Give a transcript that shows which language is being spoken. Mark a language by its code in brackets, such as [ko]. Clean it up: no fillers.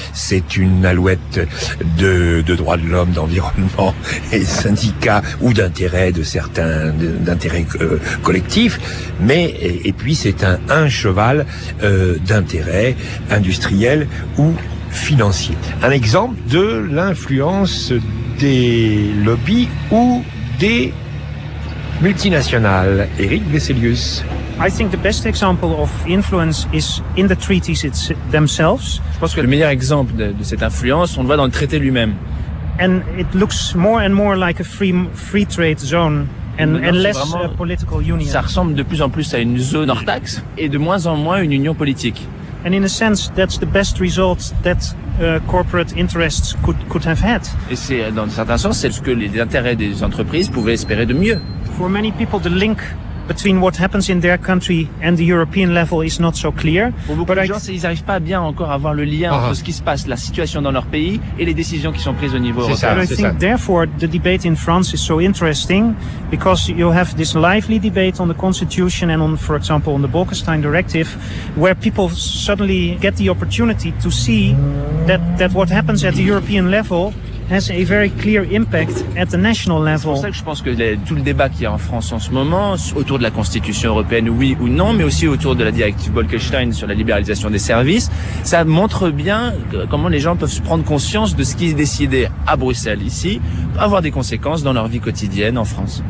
[fr] C'est une alouette de droits de l'homme, d'environnement et syndicats ou d'intérêts de certains, d'intérêts collectifs, mais et puis c'est un cheval d'intérêt industriel ou financier. Un exemple de l'influence des lobbies ou des multinationales. Eric Besselius. [en] I think the best example of influence is in the treaties themselves. [fr] Je pense que le meilleur exemple de cette influence, on le voit dans le traité lui-même. [en] And it looks more and more like a free trade zone. And less vraiment, political union. [fr] Ça ressemble de plus en plus à une zone hors taxe et de moins en moins une union politique. [en] And in a sense, that's the best result that corporate interests could have had. [fr] Et c'est dans certains sens, c'est ce que les intérêts des entreprises pouvaient espérer de mieux. [en] For many people, the link between what happens in their country and the European level is not so clear. [fr] Pour beaucoup de gens, ils n'arrivent pas bien encore à voir le lien entre ce qui se passe, la situation dans leur pays et les décisions qui sont prises au niveau européen. [en] But I think therefore the debate in France is so interesting because you have this lively debate on the constitution and on, for example, on the Bolkestein directive, where people suddenly get the opportunity to see that what happens at the European level has a very clear impact at the national level. [fr] C'est pour ça que je pense que tout le débat qu'il y a en France en ce moment, autour de la Constitution européenne, oui ou non, mais aussi autour de la directive Bolkestein sur la libéralisation des services, ça montre bien comment les gens peuvent se prendre conscience de ce qui est décidé à Bruxelles, ici, avoir des conséquences dans leur vie quotidienne en France.